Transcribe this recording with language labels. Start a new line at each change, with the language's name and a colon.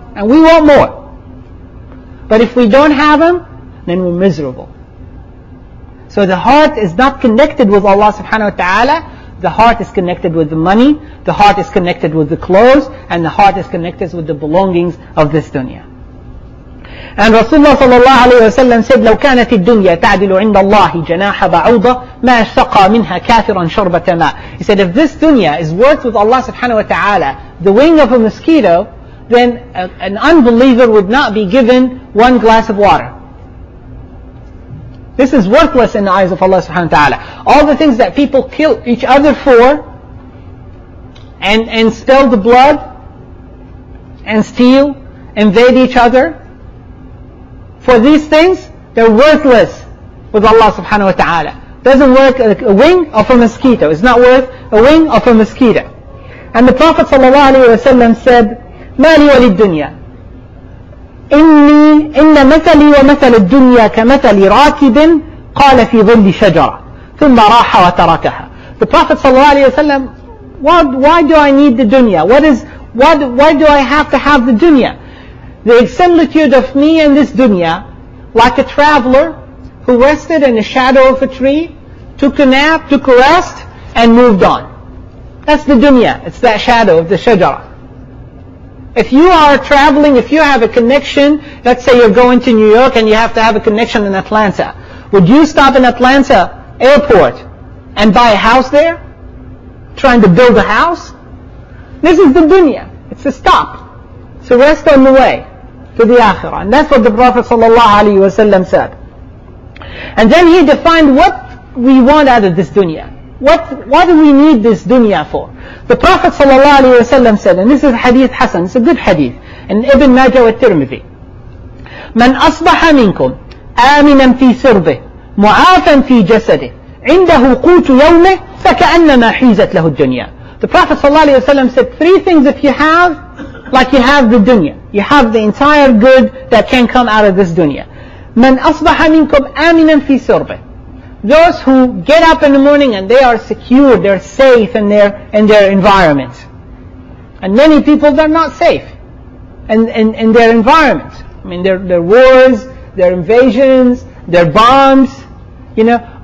English: And we want more. But if we don't have them, then we're miserable. So the heart is not connected with Allah subhanahu wa ta'ala. The heart is connected with the money, the heart is connected with the clothes, and the heart is connected with the belongings of this dunya. And Rasulullah sallallahu alayhi wa sallam said,
Arabic: لو كانت الدنيا تعدل عند الله جناح بعوضة ما اشتقى منها كافرا شربة ماء.
English: He said, if this dunya is worth with Allah subhanahu wa ta'ala the wing of a mosquito, then an unbeliever would not be given one glass of water. This is worthless in the eyes of Allah subhanahu wa ta'ala. All the things that people kill each other for, and spill the blood, and steal, invade each other, for these things, they're worthless with Allah subhanahu wa ta'ala. Doesn't work a wing of a mosquito. It's not worth a wing of a mosquito. And the Prophet sallallahu alayhi wa sallam said,
Arabic: مَا لِيَ لِلدُّنْيَا إني إن مثلي ومثل الدنيا كمثل راكب قال في ظل شجرة ثم راح وتركها.
English: The Prophet sallallahu alayhi wa sallam, why do I need the dunya? Why do I have to have the dunya? The similitude of me and this dunya, like a traveler who rested in the shadow of a tree, took a nap, took a rest, and moved on. That's the dunya. It's that shadow of the shajara. If you are traveling, if you have a connection, let's say you're going to New York and you have to have a connection in Atlanta, would you stop in Atlanta airport and buy a house there? Trying to build a house? This is the dunya. It's a stop. So rest on the way to the akhirah. And that's what the Prophet sallallahu alayhi wa sallam said. And then he defined what we want out of this dunya. What do we need this dunya for? The Prophet sallallahu alayhi wa sallam said, and this is hadith hasan, it's a good hadith, in Ibn Majah wa Tirmidhi.
Arabic: من أصبح منكم آمنا في سربه معافا في جسده عنده قوت يومه فكأنما حيزت له الدنيا.
English: The Prophet sallallahu alayhi wa sallam said, three things if you have, like you have the dunya. You have the entire good that can come out of this dunya.
Arabic: من أصبح منكم آمنا في سربه.
English: Those who get up in the morning and they are secure, they're safe in their environment. And many people, they're not safe in their environment. I mean, their wars, their invasions, their bombs, you know.